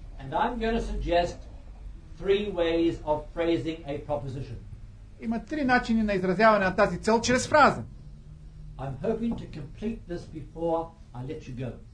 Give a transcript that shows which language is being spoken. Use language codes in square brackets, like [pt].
[en] And I'm going to suggest three ways of phrasing a proposition. [bg] Има три начини на изразяване на тази цел чрез фраза. [en] I'm hoping to complete this before I let you go.